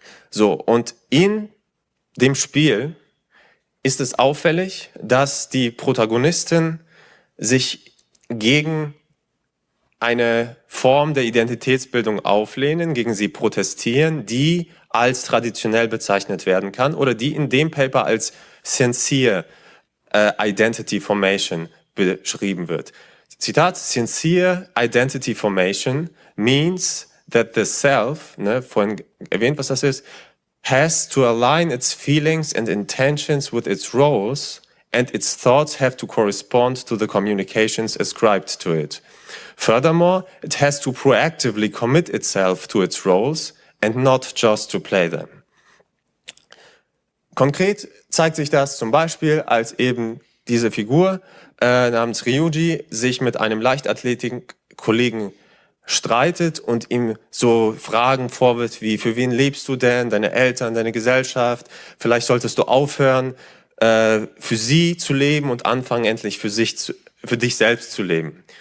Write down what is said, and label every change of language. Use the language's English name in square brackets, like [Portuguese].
[German] So, und in dem Spiel ist es auffällig, dass die Protagonistin sich gegen eine Form der Identitätsbildung auflehnen, gegen sie protestieren, die als traditionell bezeichnet werden kann oder die in dem Paper als sincere Identity Formation beschrieben wird. Zitat, [English] sincere Identity Formation means that the self, [German] ne, vorhin erwähnt, was das ist, [English] has to align its feelings and intentions with its roles and its thoughts have to correspond to the communications ascribed to it. Furthermore, it has to proactively commit itself to its roles and not just to play them. [German] Konkret zeigt sich das zum Beispiel, als eben diese Figur namens Ryuji sich mit einem Leichtathletik-Kollegen streitet und ihm so Fragen vorwirft wie, für wen lebst du denn, deine Eltern, deine Gesellschaft, vielleicht solltest du aufhören, für sie zu leben und anfangen, endlich für dich selbst zu leben.